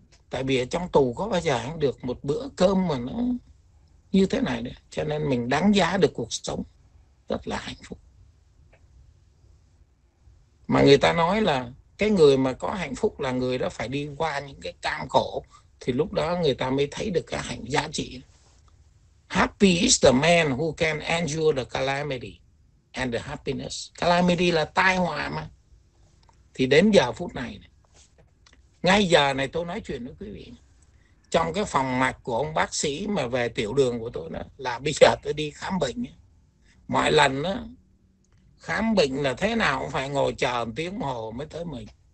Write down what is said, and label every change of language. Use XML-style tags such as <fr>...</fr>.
<vi>Tại vì ở trong tù có bao giờ ăn được một bữa cơm mà nó như thế này đấy. Cho nên mình đánh giá được cuộc sống rất là hạnh phúc. Mà người ta nói là cái người mà có hạnh phúc là người đó phải đi qua những cái cam khổ, thì lúc đó người ta mới thấy được cái hạnh giá trị.</vi> <en>Happy is the man who can endure the calamity and the happiness.</en> <vi>Calamity là tai họa mà. Thì đến giờ phút này, ngay giờ này tôi nói chuyện với quý vị, trong cái phòng mạch của ông bác sĩ mà về tiểu đường của tôi đó, là bây giờ tôi đi khám bệnh. Mọi lần đó, khám bệnh là thế nào cũng phải ngồi chờ một tiếng hồ mới tới mình.</vi>